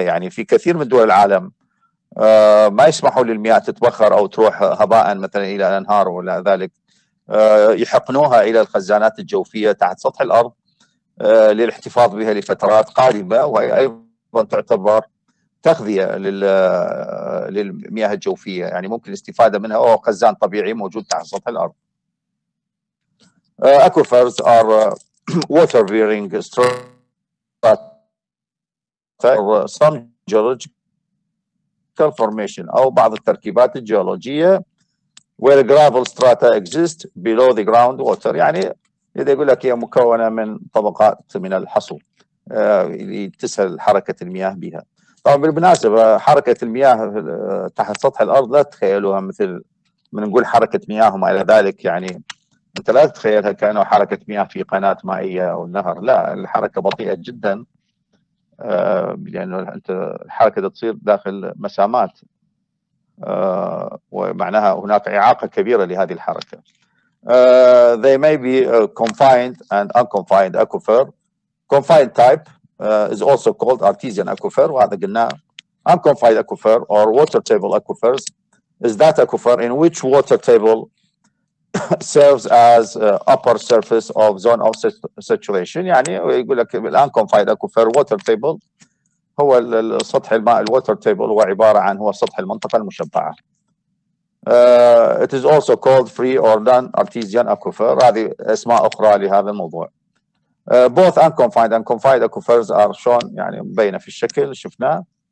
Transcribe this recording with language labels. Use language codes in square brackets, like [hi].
[ar] يعني في كثير من دول العالم ما يسمحوا للمياه تتبخر أو تروح هباء مثلا إلى الأنهار ولا ذلك، يحقنوها إلى الخزانات الجوفية تحت سطح الأرض للاحتفاظ بها لفترات قادمة، وهي أيضا تعتبر تغذية للمياه الجوفية، يعني ممكن الاستفادة منها أو خزان طبيعي موجود تحت سطح الأرض. [en] Aquifers are water bearing strata or some geological formation [ar] أو بعض التركيبات الجيولوجية. [en] Where gravel strata exist below the ground water، [ar] يعني إذا يقول لك هي مكونة من طبقات من الحصو اللي تسهل حركة المياه بها. طبعا بالمناسبة حركة المياه تحت سطح الأرض لا تتخيلوها مثل من نقول حركة مياه وما إلى ذلك، يعني أنت لا تتخيلها كأنه حركة مياه في قناة مائية أو النهر، لا، الحركة بطيئة جدا، لأنه أنت الحركة تصير داخل مسامات، ومعناها هناك إعاقة كبيرة لهذه الحركة. [en] They may be confined and unconfined aquifer. Confined type is also called artesian aquifer، [ar] وهذا قلناه. [en] Unconfined aquifer or water table aquifers is that aquifer in which water table serves as upper surface of zone of saturation. [ar] يعني يقول لك unconfined aquifer water table هو السطح الماء. Water table هو عبارة عن هو سطح المنطقة المشبعة. [en] It is also called free or non-artesian aquifer. [ar] هذه أسماء أخرى لهذا الموضوع. [en] Both unconfined and confined aquifers are shown، [ar] يعني مبينة في الشكل شفنا.